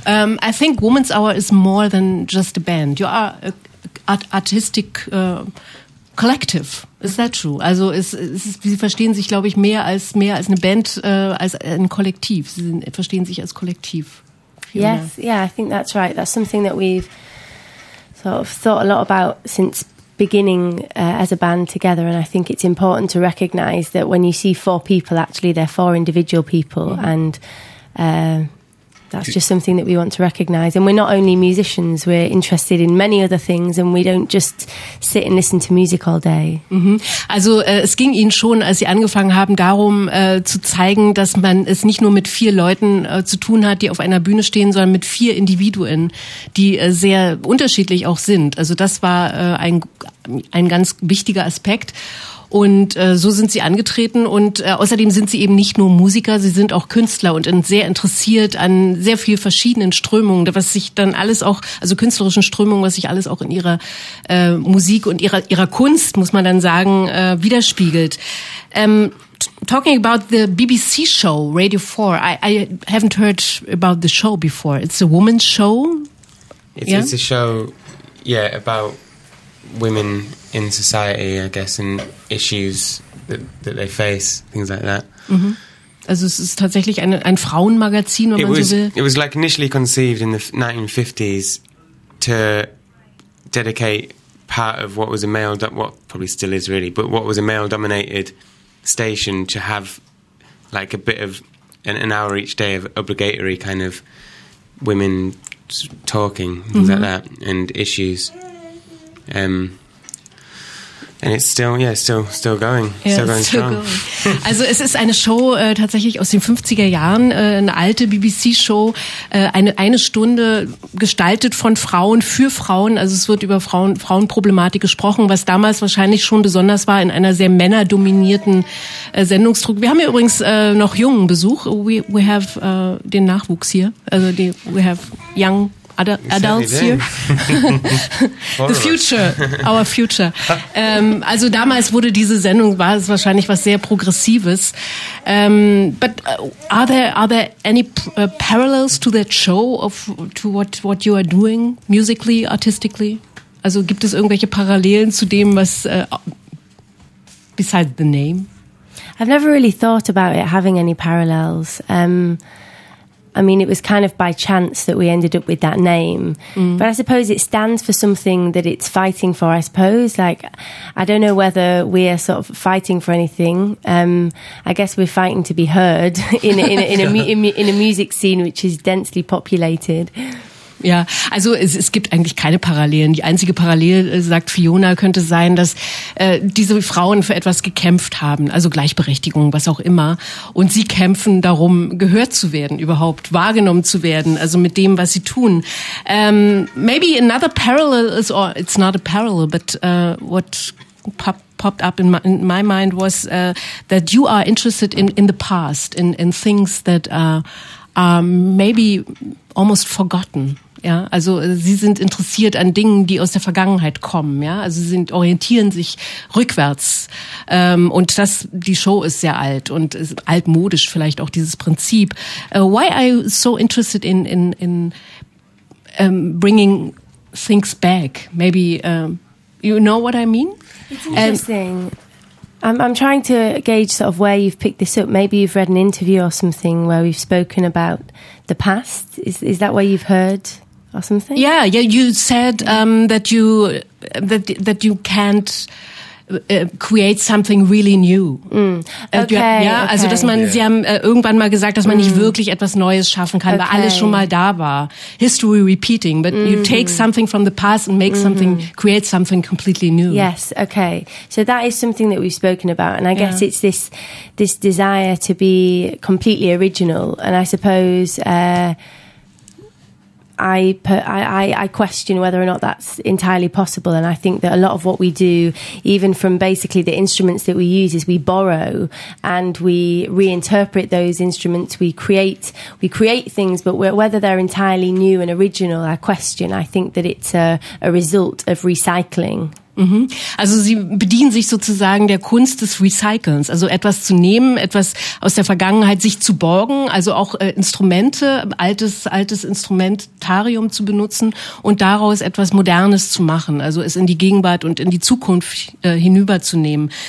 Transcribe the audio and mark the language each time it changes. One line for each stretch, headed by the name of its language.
English: I think Woman's Hour is more than just a band. You are an artistic collective. Is that true?
German: Also sie verstehen sich, glaube ich, mehr als eine Band, als ein Kollektiv. Sie verstehen sich als Kollektiv.
English: Fiona. Yes, yeah, I think that's right. That's something that we've sort of thought a lot about since beginning as a band together, and I think it's important to recognise that when you see four people, actually they're four individual people, and that's just something that we want to recognise. And we're not only musicians, we're interested in many other things, and we don't just sit and listen to music all day. Mm-hmm.
German: Also es ging Ihnen schon, als Sie angefangen haben, darum zu zeigen, dass man es nicht nur mit vier Leuten zu tun hat, die auf einer Bühne stehen, sondern mit vier Individuen, die sehr unterschiedlich auch sind. Also das war ein ganz wichtiger Aspekt. Und so sind Sie angetreten und außerdem sind Sie eben nicht nur Musiker, Sie sind auch Künstler und sehr interessiert an sehr viel verschiedenen Strömungen, was sich dann alles auch, also künstlerischen Strömungen, was sich alles auch in Ihrer Musik und ihrer Kunst, muss man dann sagen, widerspiegelt.
English: Talking about the BBC show, Radio 4, I haven't heard about the show before. It's a woman's show? It's a show, about women in society, I guess, and issues that they face, things like that. Mm-hmm.
German: Also es ist tatsächlich ein Frauenmagazin, wenn man so will.
English: It was like initially conceived in the 1950s to dedicate part of what was a male, what probably still is really, but what was a male-dominated station to have like a bit of an hour each day of obligatory kind of women talking, things mm-hmm. like that, and issues. And it's still going. Yeah, still going strong.
German: Also es ist eine Show tatsächlich aus den 50er Jahren, eine alte BBC-Show, eine Stunde gestaltet von Frauen für Frauen. Also es wird über Frauenproblematik gesprochen, was damals wahrscheinlich schon besonders war in einer sehr männerdominierten Sendungsdruck. Wir haben ja übrigens noch jungen Besuch.
English: We have
German: den Nachwuchs hier.
English: Also we have young adults here. The future, our future.
German: Also damals wurde diese Sendung, war es wahrscheinlich was sehr Progressives.
English: But are there any parallels to that show to what you are doing musically, artistically?
German: Also gibt es irgendwelche Parallelen zu dem, was
English: besides the name? I've never really thought about it having any parallels. I mean, it was kind of by chance that we ended up with that name. Mm. But I suppose it stands for something that it's fighting for, I suppose. Like, I don't know whether we are sort of fighting for anything. I guess we're fighting to be heard in a music scene, which is densely populated.
German: Ja, also es gibt eigentlich keine Parallelen. Die einzige Parallele, sagt Fiona, könnte sein, dass diese Frauen für etwas gekämpft haben, also Gleichberechtigung, was auch immer. Und sie kämpfen darum, gehört zu werden überhaupt, wahrgenommen zu werden, also mit dem, was sie tun.
English: Maybe another parallel is, or it's not a parallel, but what popped up in my mind was that you are interested in the past, in things that maybe almost forgotten.
German: Ja, also sie sind interessiert an Dingen, die aus der Vergangenheit kommen. Ja, also sie orientieren sich rückwärts. Und das, die Show ist sehr alt und ist altmodisch vielleicht auch dieses Prinzip.
English: Why are you so interested in bringing things back? Maybe you know what I mean? It's interesting. I'm trying to gauge sort of where you've picked this up. Maybe you've read an interview or something where we've spoken about the past. Is that where you've heard or something? Yeah, you said that you that you can't create something really new.
German: Also dass man, yeah. Sie haben irgendwann mal gesagt, dass man nicht wirklich etwas Neues schaffen kann, weil alles schon mal da war.
English: History repeating, but you take something from the past and make something, create something completely new. Yes, okay. So that is something that we've spoken about, and I guess it's this desire to be completely original. And I suppose I question whether or not that's entirely possible. And I think that a lot of what we do, even from basically the instruments that we use, is we borrow and we reinterpret those instruments. We create things, but whether they're entirely new and original, I question. I think that it's a result of recycling.
German: Also sie bedienen sich sozusagen der Kunst des Recyclens, also etwas zu nehmen, etwas aus der Vergangenheit sich zu borgen, also auch Instrumente, altes Instrumentarium zu benutzen und daraus etwas Modernes zu machen, also es in die Gegenwart und in die Zukunft hinüberzunehmen.